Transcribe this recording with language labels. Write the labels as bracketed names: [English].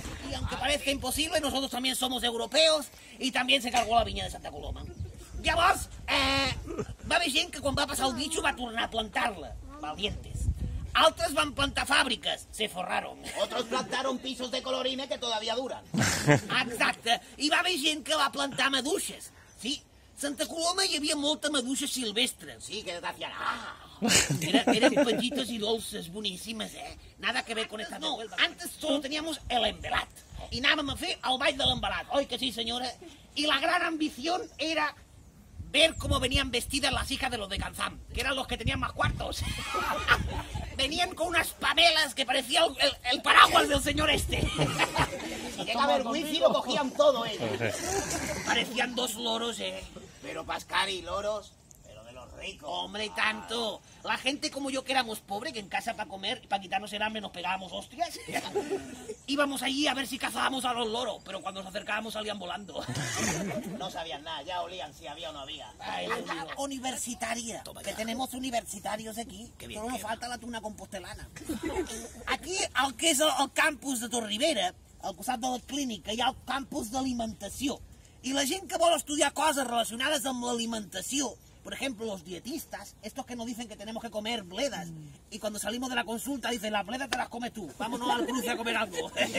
[Spanish] Y aunque parezca imposible, nosotros también somos europeos y también se cargó la viña de Santa Coloma. [Catalan] Llavors, va haver gent que quan va passar el bicho va tornar a plantar-la. [Spanish] Valientes. [Catalan] Altres van plantar fàbriques, [Spanish] se forraron. Otros plantaron pisos de colorine que todavía duran. [Catalan] Exacte. I va haver gent que va plantar maduixes. Sí, a Santa Coloma hi havia molta maduixa silvestre. Sí, que de gràcia. Eren petites i dolces, boníssimes, eh? [Spanish] Nada que ver con esta... No, antes solo teníamos el embelat. [Catalan] I anàvem a fer el ball de l'embelat. Oi que sí, senyora? I la gran ambició era... [Spanish] ver cómo venían vestidas las hijas de los de Canzán, que eran los que tenían más cuartos. Venían con unas pamelas que parecía el paraguas del señor este. Si llegaba el wifi lo cogían todo, ¿eh? Parecían dos loros, ¿eh? Pero Pascal y loros, pero de los reyes. rico. Hombre, y tanto. La gente como yo, que éramos pobres, que en casa para comer y para quitarnos el hambre nos pegábamos hostias. Íbamos allí a ver si cazábamos a los loros, pero cuando nos acercábamos salían volando. No sabían nada, ya olían si había o no había. Anda, universitaria, que tenemos universitarios aquí. Qué bien. Solo nos falta la tuna compostelana. [Catalan] Aquí, el que és el campus de Torribera, al costat de la clínica, hi ha el campus d'alimentació. [Spanish] Y la gente que vol estudiar cosas relacionadas con la alimentación, por ejemplo, los dietistas, estos que nos dicen que tenemos que comer bledas, y cuando salimos de la consulta dicen, la bleda te las comes tú, vámonos al cruce a comer algo.